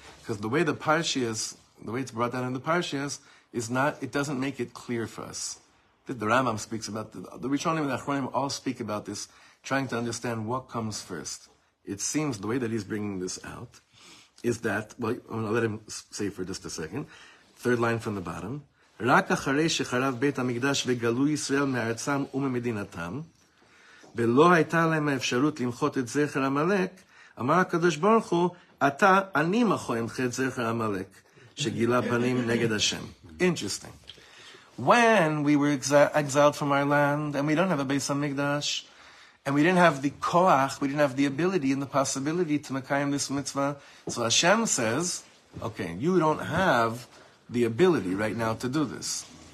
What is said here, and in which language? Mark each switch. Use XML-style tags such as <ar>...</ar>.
<en>Because the way the Parshias, the way it's brought down in the Parshias, it doesn't make it clear for us. The Rambam speaks about the Rishonim and the Achronim all speak about this, trying to understand what comes first. It seems the way that he's bringing this out is that, well, I'm going to let him say for just a second, third line from the bottom.</en> <he>רק אחרי שחרב בית המקדש וגלו ישראל מארצם וממדינתם, ולא הייתה להם האפשרות למחות את זכר המלאק, אמר הקדוש ברוך הוא, אתה אני מחוה אמחה את זכר המלאק, שגילה פנים נגד השם.</he> <en>Interesting. When we were exiled from our land, and we don't have a Beis HaMikdash, and we didn't have the koach, we didn't have the ability and the possibility to mekayim this mitzvah, so Hashem says, okay, you don't have the ability right now to do this.</en>